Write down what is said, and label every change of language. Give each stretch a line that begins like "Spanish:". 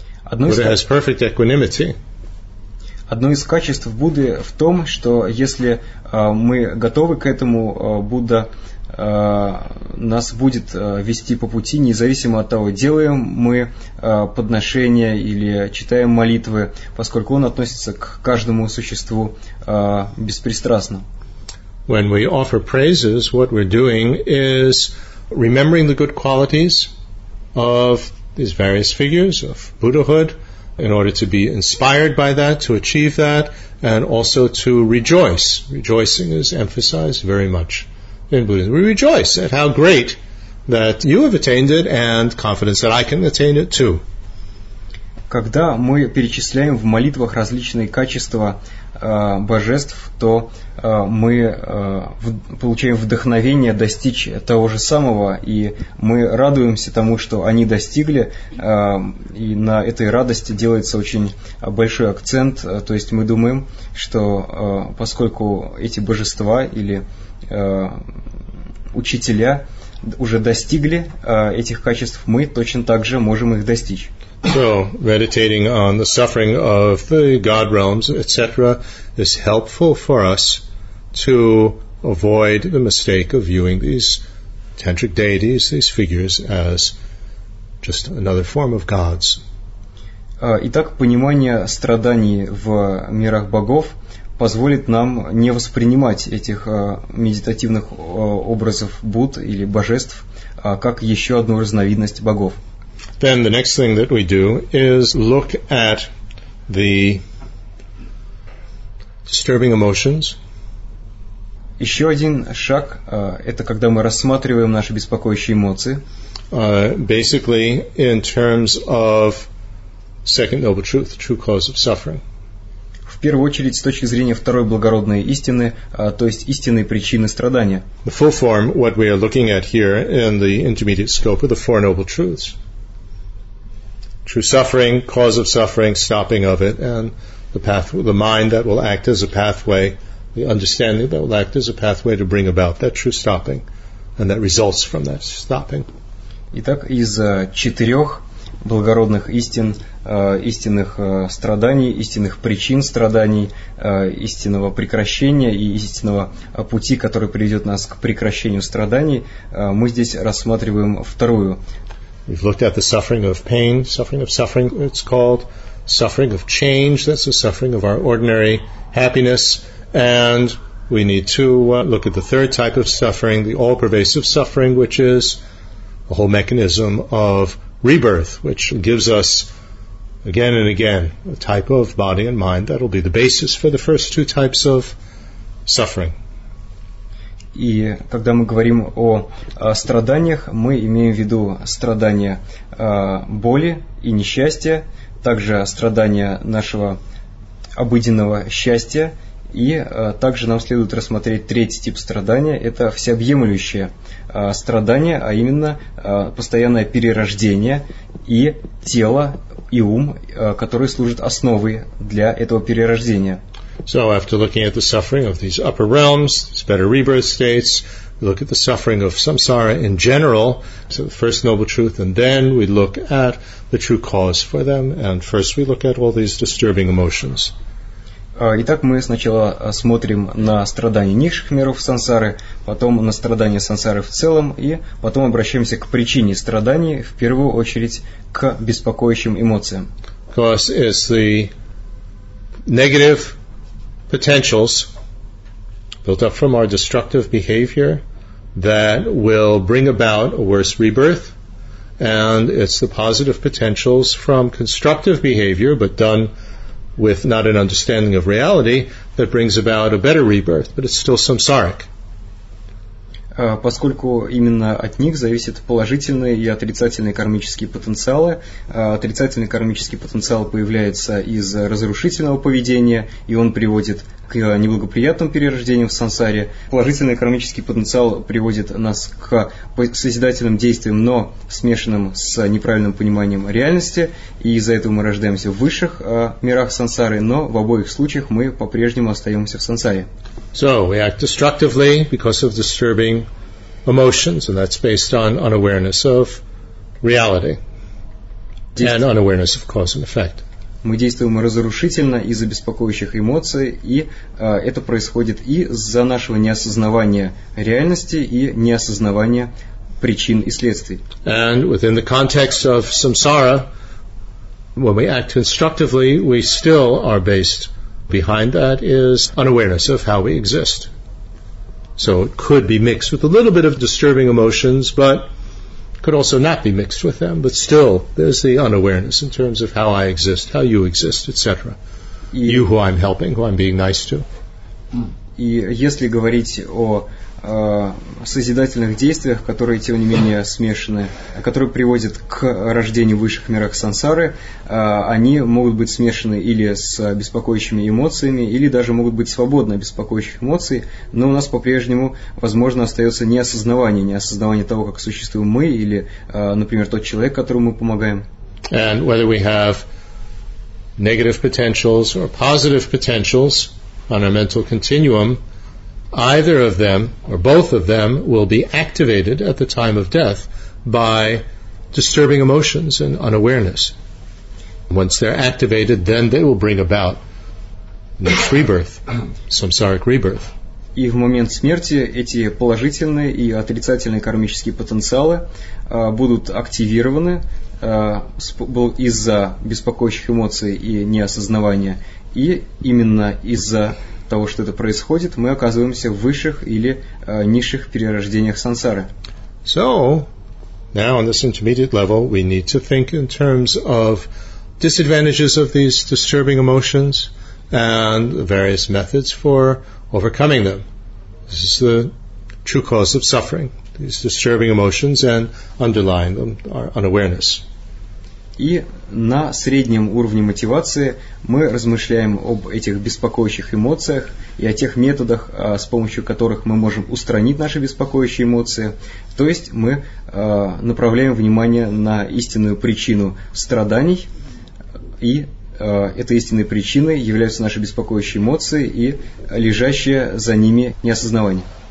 English: Buddha has perfect equanimity.
Russian: Одно из качеств Будды в том, что если мы готовы к этому, Будда нас будет вести по пути, независимо от того, делаем мы подношения или читаем молитвы, поскольку он относится к каждому существу беспристрастно.
English: When we offer praises, what we're doing is remembering the good qualities of these various figures of Buddhahood in order to be inspired by that, to achieve that, and also to rejoice. Rejoicing is emphasized very much in Buddhism. We rejoice at how great that you have attained it and confidence that I can attain it too.
Russian: Когда мы перечисляем в молитвах различные качества божеств, то мы получаем вдохновение достичь того же самого, и мы радуемся тому, что они достигли, и на этой радости делается очень большой акцент, то есть мы думаем, что поскольку эти божества или учителя уже достигли этих качеств, мы точно так же можем их достичь.
English: So, meditating on the suffering of the God realms, etc., is helpful for us to avoid the mistake of viewing these tantric deities, these figures, as just another form of gods.
Russian: Итак, понимание страданий в мирах богов позволит нам не воспринимать этих медитативных образов Будд или божеств как еще одну разновидность богов.
English: Then the next thing that we do is look at the disturbing emotions.
Russian: Еще один шаг это когда мы рассматриваем наши беспокоящие эмоции.
English: Basically, in terms of second noble truth, true cause of suffering.
Russian: В первую очередь с точки зрения второй благородной истины, то есть истинной причины страдания.
English: The full form, what we are looking at here in the intermediate scope of the four noble truths. True suffering, cause of suffering, stopping of it, and the path, the mind that will act as a pathway, the understanding that will act as a pathway to bring about that true stopping, and that results from that stopping.
Russian: Итак, из четырех благородных истин, истинных страданий, истинных причин страданий, истинного прекращения и истинного пути, который приведет нас к прекращению страданий, мы здесь рассматриваем вторую.
English: We've looked at the suffering of pain, suffering of suffering, it's called suffering of change, that's the suffering of our ordinary happiness, and we need to look at the third type of suffering, the all-pervasive suffering, which is a whole mechanism of rebirth, which gives us again and again a type of body and mind that will be the basis for the first two types of suffering.
Russian: И когда мы говорим о страданиях, мы имеем в виду страдания боли и несчастья, также страдания нашего обыденного счастья, и также нам следует рассмотреть третий тип страдания, это всеобъемлющее страдание, а именно постоянное перерождение и тело, и ум, которые служат основой для этого перерождения.
English: So after looking at the suffering of these upper realms, these better rebirth states, we look at the suffering of samsara in general, so the first noble truth, and then we look at the true cause for them, and first we look at all these disturbing emotions.
Russian: Итак, мы сначала смотрим на страдания низших миров сансары, потом на страдания сансары в целом, и потом обращаемся к причине страданий, в первую очередь к беспокоящим эмоциям.
English: Because it's the negative potentials built up from our destructive behavior that will bring about a worse rebirth, and it's the positive potentials from constructive behavior, but done with not an understanding of reality, that brings about a better rebirth, but it's still samsaric.
Russian: Поскольку именно от них зависят положительные и отрицательные кармические потенциалы. Отрицательный кармический потенциал появляется из разрушительного поведения, и он приводит к неблагоприятным перерождениям в сансаре. Положительный кармический потенциал приводит нас к созидательным действиям, но смешанным с неправильным пониманием реальности, и из-за этого мы рождаемся в высших мирах сансары, но в обоих случаях мы по-прежнему остаемся в сансаре.
English: So, we act destructively because of disturbing emotions, and that's based on unawareness of reality and unawareness of cause and effect.
Russian: Мы действуем разрушительно из-за беспокоящих эмоций, и это происходит и из-за нашего неосознавания реальности и неосознавания причин и следствий.
English: And within the context of samsara, when we act constructively, we still are based behind that is unawareness of how we exist. So it could be mixed with a little bit of disturbing emotions, but could also not be mixed with them. But still, there's the unawareness in terms of how I exist, how you exist, etc. You who I'm helping, who I'm being nice to.
Russian: И если говорить о созидательных действиях, которые, тем не менее, смешаны, которые приводят к рождению в высших мирах сансары, они могут быть смешаны или с беспокоящими эмоциями, или даже могут быть свободны от беспокоящих эмоций, но у нас по-прежнему, возможно, остается неосознавание, неосознавание того, как существуем мы, или, например, тот человек, которому мы помогаем.
English: And whether we have negative potentials or positive potentials on our mental continuum, either of them, or both of them, will be activated at the time of death by disturbing emotions and unawareness. Once they're activated, then they will bring about next rebirth, samsaric rebirth.
Russian: И в момент смерти эти положительные и отрицательные кармические потенциалы будут активированы из-за беспокоящих эмоций и неосознавания, и именно из-за того, что это происходит, мы оказываемся в высших или низших перерождениях сансары.
English: So, now on this intermediate level, we need to think in terms of disadvantages of these disturbing emotions and various methods for overcoming them. This is the true cause of suffering, these disturbing emotions and underlying them are unawareness.
Russian: И на среднем уровне мотивации мы размышляем об этих беспокоящих эмоциях и о тех методах, с помощью которых мы можем устранить наши беспокоящие эмоции. То есть мы направляем внимание на истинную причину страданий, и этой истинной причиной являются наши беспокоящие эмоции и лежащее за ними неосознавание.